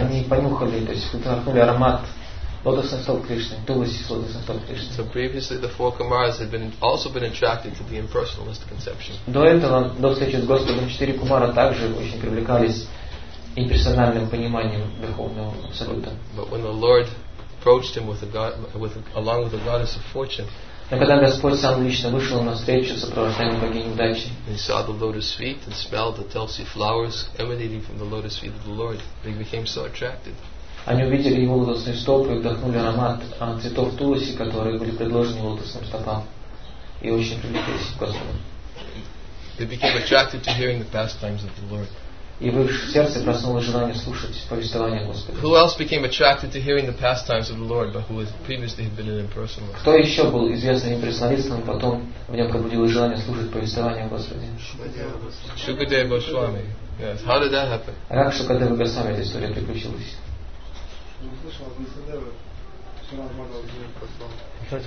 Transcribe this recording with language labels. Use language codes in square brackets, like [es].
[ru] Они понюхали, то есть вдохнули аромат лотосных стоп Кришны, тулуси с лотосных стоп Кришны. [en] So previously the four Kumaras had been also been attracted to the impersonalist conception. [ru] До этого, до встречи с Господом, четыре Кумара также очень привлекались имперсональным пониманием Верховного Абсолюта. [en] But when the Lord approached him with a god, with a, along with the goddess of fortune. [ru] Но когда Господь сам лично вышел на встречу, сопровождаемый богиней удачи. [en] He saw the lotus feet and smelled the tulsi flowers emanating from the lotus feet of the Lord. They became so attracted. [ru] Они увидели его лотосные стопы и вдохнули аромат цветов тулуси, которые были предложены лотосным стопам, и очень привлеклись к Господу. [en] They became attracted to hearing the pastimes of the Lord. [ru] И в их сердце проснулось желание слушать повествование Господа. [en] Who else became attracted to hearing the pastimes of the Lord, but who previously had been an impersonalist? [ru] Кто еще был известным имперсоналистом, потом в нем пробудилось желание слушать повествование Господа? [en] Шукадева Госвами. Yes. How did that happen? [ru] Как Шукадева Госвами эта история приключилась? Услышал Ясадева [en] Шримад Бхагаватам. Heard